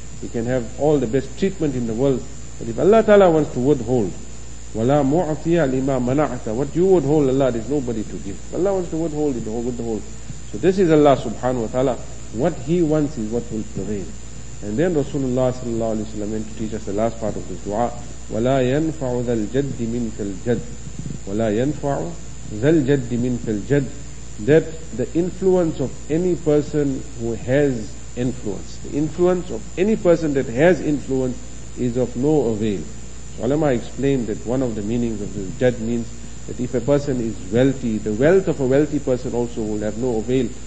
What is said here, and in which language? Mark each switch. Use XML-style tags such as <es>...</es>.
<en>He can have all the best treatment in the world. But if Allah Ta'ala wants to withhold,</en> <ar>وَلَا مُعْطِيَ لِمَا مَنَعْتَ,</ar> <en>what you withhold, Allah, there's nobody to give. If Allah wants to withhold, He will withhold. So this is Allah Subhanahu Wa Ta'ala. What He wants is what will prevail. And then Rasulullah Sallallahu Alaihi Wasallam went to teach us the last part of this dua.</en> <ar>ولا ينفع ذا الجد منك الجد ولا ينفع ذا الجد منك الجد.</ar> <en>That the influence of any person who has influence, the influence of any person that has influence is of no avail. So ulama explained that one of the meanings of this jad means that if a person is wealthy, the wealth of a wealthy person also will have no avail.</en>